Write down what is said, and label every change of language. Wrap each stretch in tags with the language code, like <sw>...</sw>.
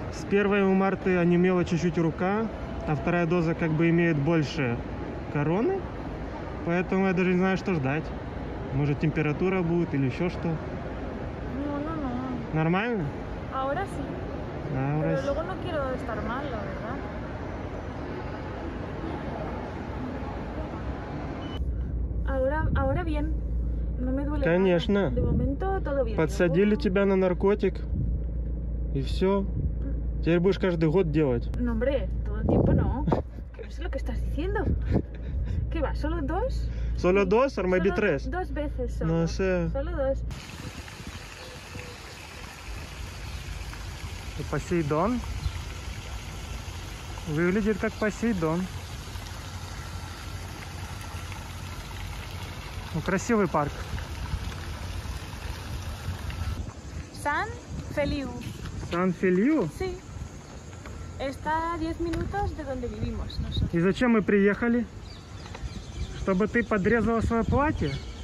<ru>Первая у Марты онемела чуть-чуть рука, а вторая доза как бы имеет больше короны, поэтому я даже не знаю, что ждать. Может, температура будет или еще что?</ru> <es>No.</es> <ru>Нормально?</ru> <es>Ahora sí. Ahora Pero sí. Luego no quiero estar mal, la verdad. Ahora bien. No me duele.</es> <ru>Конечно.</ru> <es>Nada. De momento todo bien.</es> <ru>Подсадили тебя на наркотик и все. Теперь будешь каждый год делать.</ru> <es>No, hombre, todo el tiempo no. ¿Qué es lo que estás diciendo? ¿Qué va? ¿Solo dos? ¿Solo dos o maybe tres? Dos veces solo. No sé. Solo dos. ¿El Poseidón?</es> <ru>Выглядит как Poseidón. Un красивый парк.</ru> <es>San Feliu. ¿San Feliu? Sí. Está a 10 minutos de donde vivimos nosotros.</es> <ru>¿Y зачем мы приехали? ¿Чтобы ты подрезала свое платье?</ru>